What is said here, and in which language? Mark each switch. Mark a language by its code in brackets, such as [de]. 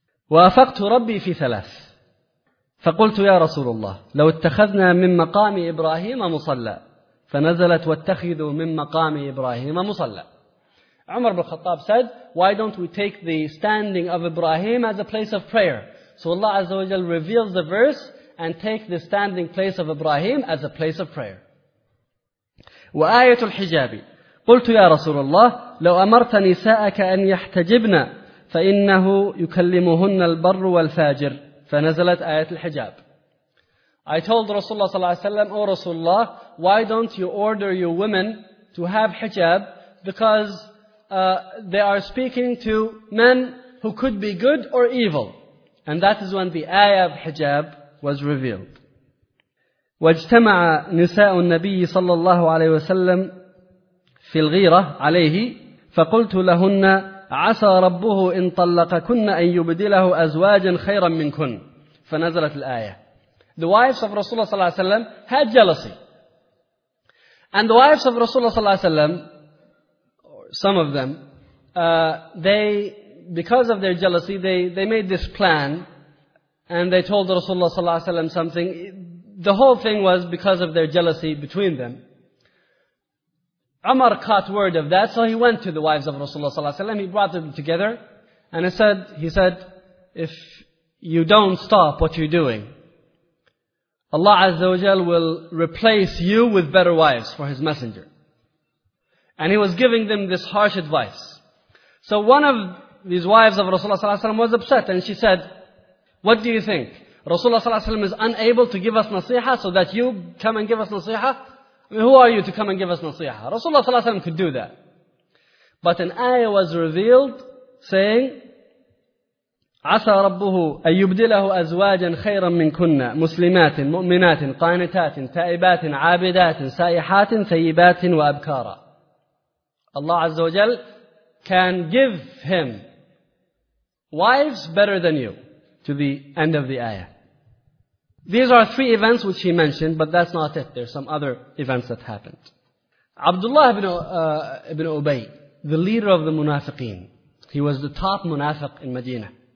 [ar] وَأَفَقْتُ رَبِّي فِي ثَلَاثٍ فَقُلْتُ يَا رَسُولُ اللَّهِ لَوْ اتَّخَذْنَا مِنْ مَقَامِ إِبْرَاهِيمَ مُصَلَّى فَنَزَلَتْ وَاتَّخِذُوا مِنْ مَقَامِ إِبْرَاهِيمَ مُصَلَّى. [en] Umar bin Khattab said, why don't we take the standing of Ibrahim as a place of prayer? So Allah Azza wa Jal reveals the verse and take the standing place of Ibrahim as a place of prayer. [ar] وآية الحجاب قلت يا رسول الله لو أمرت نساءك أن يحتجبن فإنه يكلمهن البر والفاجر فنزلت آية الحجاب. [en] I told Rasulullah صلى الله عليه وسلم, O Rasulullah, why don't you order your women to have hijab, because they are speaking to men who could be good or evil. And that is when the ayah of hijab was revealed. [ar] واجتمع نساء النبي صلى الله عليه وسلم في الغيرة عليه فقلت لهن عسى ربه إن طلقكن أن يبدله أزواجا خيرا منكن فنزلت الآية. [en] The wives of Rasulullah صلى الله عليه وسلم had jealousy. And the wives of Rasulullah صلى الله عليه وسلم, some of them, they, because of their jealousy, they made this plan and they told Rasulullah صلى الله عليه وسلم something. The whole thing was because of their jealousy between them. Umar caught word of that, so he went to the wives of Rasulullah sallallahu alaihi wasallam. He brought them together, and he said, if you don't stop what you're doing, Allah Azza wa Jal will replace you with better wives for His Messenger. And he was giving them this harsh advice. So one of these wives of Rasulullah sallallahu alaihi wasallam was upset, and she said, what do you think? Rasulullah sallallahu alaihi wasallam is unable to give us nasiha, so that you come and give us nasiha? I mean, who are you to come and give us nasiha? Rasulullah sallallahu alaihi wasallam could do that. But an ayah was revealed saying, [ar] عَسَى رَبُّهُ أَيُبْدِلَهُ أَزْوَاجًا خَيْرًا مِنْ كُنَّ مُسْلِمَاتٍ مُؤْمِنَاتٍ قَانِتَاتٍ تَائِبَاتٍ عَابِدَاتٍ سَائِحَاتٍ ثَيِّبَاتٍ وَأَبْكَارًا. [en] Allah Azza wa Jal can give him wives better than you. To the end of the ayah. These are three events which he mentioned, but that's not it. There's some other events that happened. Abdullah ibn Ubay, the leader of the munafiqeen, he was the top munafiq in Medina.